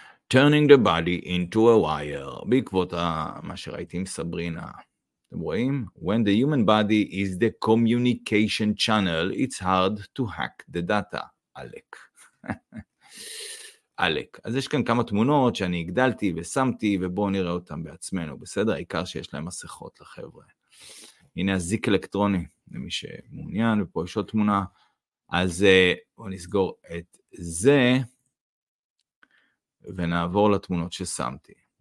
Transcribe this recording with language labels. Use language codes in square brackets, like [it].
[en] Turning the body into a wire. [he] בעקבות מה שראיתי עם סברינה. אתם רואים? [en] When the human body is the communication channel, it's hard to hack the data. [he] עלק. עלק. אז יש כאן כמה תמונות שאני הגדלתי ושמתי, ובואו נראה אותן בעצמנו. בסדר? העיקר שיש להם מסכות לחבר'ה. הנה הזיק אלקטרוני, למי שמעוניין, ופה יש עוד תמונה. אז בואו נסגור את זה, ונעבור לתמונות ששמתי.